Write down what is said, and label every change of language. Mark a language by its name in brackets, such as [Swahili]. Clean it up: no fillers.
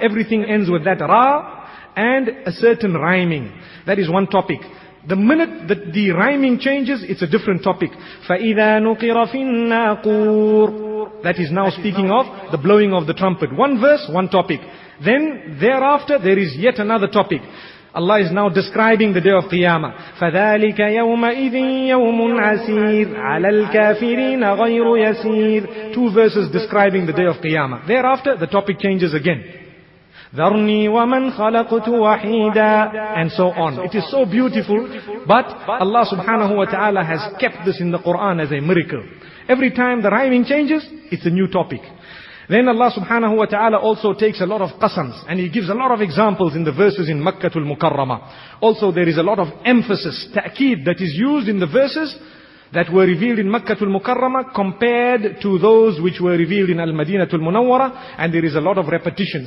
[English] Everything ends with that ra, and a certain rhyming. That is one topic. The minute that the rhyming changes, it's a different topic. [Arabic] فَإِذَا نُقِرَ فِي النَّاقُورِ [English] That is now speaking of the blowing of the trumpet. One verse, one topic. Then thereafter, there is yet another topic. Allah is now describing the day of Qiyamah. [Arabic] فَذَلِكَ يَوْمَئِذٍ يَوْمٌ عَسِيرٌ عَلَى الْكَافِرِينَ غَيْرُ يَسِيرٌ [English] Two verses describing the day of Qiyamah. Thereafter, the topic changes again. [Arabic] ذَرْنِي وَمَنْ خَلَقْتُ وَحِيدًا [English] And so on. It is so beautiful, but Allah subhanahu wa ta'ala has kept this in the Quran as a miracle. Every time the rhyming changes, it's a new topic. Then Allah subhanahu wa ta'ala also takes a lot of qasams, and He gives a lot of examples in the verses in Makkah al-Mukarramah. Also there is a lot of emphasis, ta'keed, that is used in the verses that were revealed in Makkah al-Mukarramah compared to those which were revealed in Al-Madinah al-Munawwara, and there is a lot of repetition.